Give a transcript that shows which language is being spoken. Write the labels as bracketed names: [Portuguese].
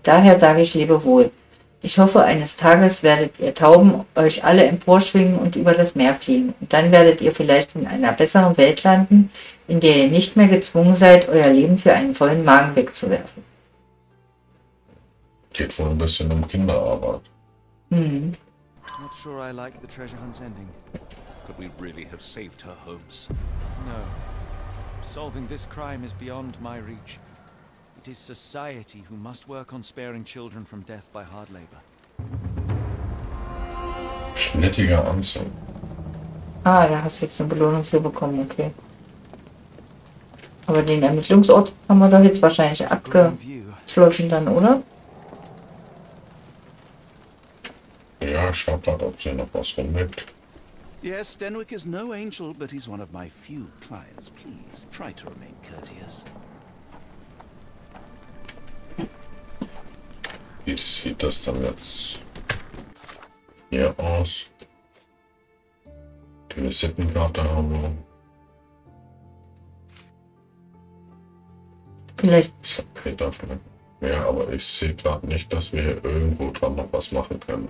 [German] Daher sage ich Lebewohl. Ich hoffe, eines Tages werdet ihr Tauben euch alle emporschwingen und über das Meer fliegen. Und dann werdet ihr vielleicht in einer besseren Welt landen, in der ihr nicht mehr gezwungen seid, euer Leben für einen vollen Magen wegzuwerfen. Geht wohl ein bisschen um Kinderarbeit. [English] Not sure I like the treasure hunt's ending. Could we really have saved her homes? No. Solving this crime is beyond my reach. It is society who must work on sparing children from death by hard labor. [German] Schnittiger Anzug. Ah, da hast du jetzt eine Belohnung für bekommen, okay. Aber den Ermittlungsort haben wir doch jetzt wahrscheinlich abgeschlossen dann, oder? Ja, schaut mal, ob sie noch was rumliegt. [English] Yes, Denwick is no angel, but he's one of my few clients. Please try to remain courteous. [German] Wie sieht das dann jetzt hier aus? Die Visitenkarte haben wir. Vielleicht. Das hat Peter vielleicht. Ja, aber ich sehe gerade nicht, dass wir hier irgendwo dran noch was machen können.